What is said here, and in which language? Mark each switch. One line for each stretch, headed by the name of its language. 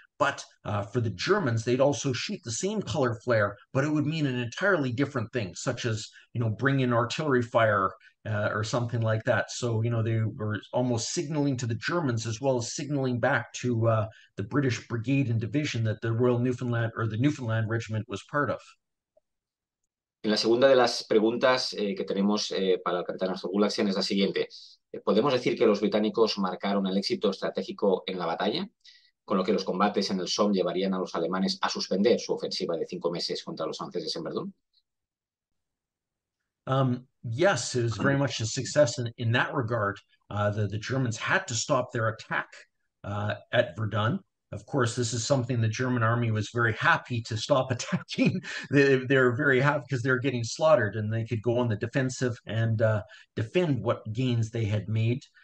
English: But for the Germans, they'd also shoot the same color flare, but it would mean an entirely different thing, such as, bring in artillery fire or something like that. So, they were almost signaling to the Germans as well as signaling back to the British brigade and division that the Royal Newfoundland or the Newfoundland Regiment was part of.
Spanish: En la segunda de las preguntas que tenemos para el capitán Gulaxian es la siguiente. ¿Podemos decir que los británicos marcaron el éxito estratégico en la batalla, con lo que los combates en el Somme llevarían a los alemanes a suspender su ofensiva de 5 meses contra los franceses en Verdún?
English: Yes, it was very much a success in that regard. The Germans had to stop their attack at Verdun. Of course, this is something the German army was very happy to stop attacking. They're very happy because they're getting slaughtered and they could go on the defensive and defend what gains they had made.